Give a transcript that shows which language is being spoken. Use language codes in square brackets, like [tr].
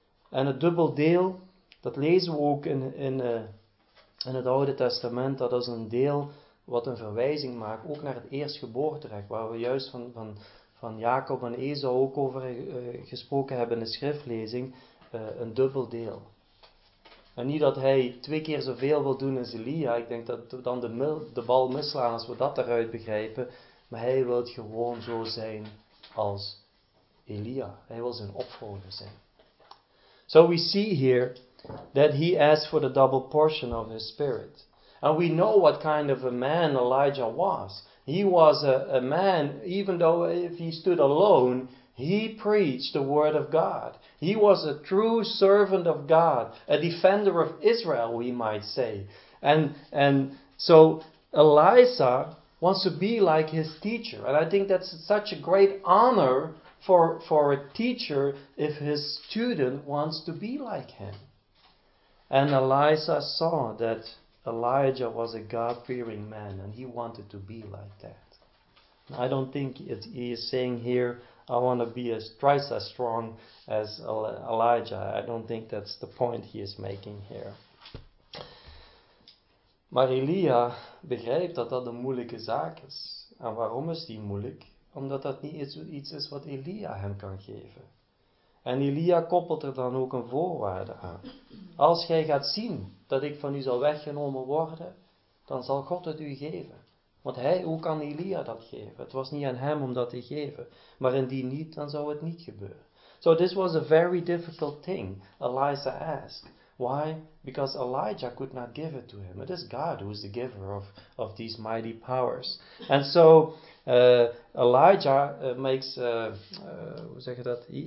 [nl] En het dubbel deel, dat lezen we ook in het Oude Testament, dat is een deel wat een verwijzing maakt, ook naar het eerstgeboorterecht, waar we juist van Jacob en Esau ook over gesproken hebben in de schriftlezing, een dubbel deel. En niet dat hij twee keer zoveel wil doen als Elia, ik denk dat we dan de bal misslaan als we dat eruit begrijpen, maar hij wil gewoon zo zijn als Elia. Hij wil zijn opvolger zijn. [en] So we see here that he asked for the double portion of his spirit. And we know what kind of a man Elijah was. He was a man, even though if he stood alone, he preached the word of God. He was a true servant of God, a defender of Israel, we might say. And so Elisha wants to be like his teacher. And I think that's such a great honor for a teacher if his student wants to be like him. And Elisha saw that Elijah was a God-fearing man, and he wanted to be like that. I don't think he is saying here, I want to be twice as strong as Elijah. I don't think that's the point he is making here. [nl] Maar Elia begrijpt dat dat een moeilijke zaak is. En waarom is die moeilijk? Omdat dat niet iets is wat Elia hem kan geven. En Elia koppelt er dan ook een voorwaarde aan. Als gij gaat zien dat ik van u zal weggenomen worden, dan zal God het u geven. Want hij, hoe kan Elia dat geven? Het was niet aan hem om dat te geven. Maar indien niet, dan zou het niet gebeuren. [en] So this was a very difficult thing Elisha asked. Why? Because Elijah could not give it to him. It is God who is the giver of these mighty powers. And so Elijah makes, [nl] hoe zeg je dat?